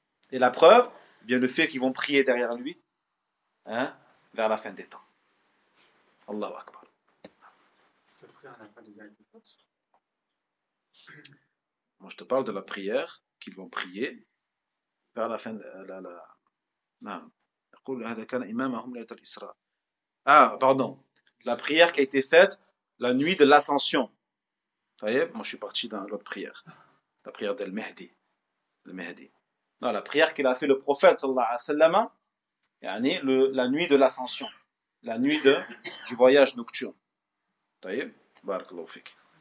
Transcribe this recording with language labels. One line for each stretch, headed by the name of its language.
French: Et la preuve, eh bien le fait qu'ils vont prier derrière lui, hein, vers la fin des temps. Allahu Akbar. Cette prière n'a pas des ayats fortes. Moi je te parle de la prière qu'ils vont prier vers la fin de la... Non.
Arabic: يقول هذا كان إمامهم ليلة الإسراء.
French: Ah, pardon. La prière qui a été faite la nuit de l'ascension. Vous voyez, moi je suis parti dans l'autre prière. La prière d'El Mehdi. Le Mehdi. Non, la prière qu'il a fait le prophète, sallallahu alayhi wa sallam, yani, la nuit de l'ascension. La nuit du voyage nocturne. Vous voyez, Barakallahu fik.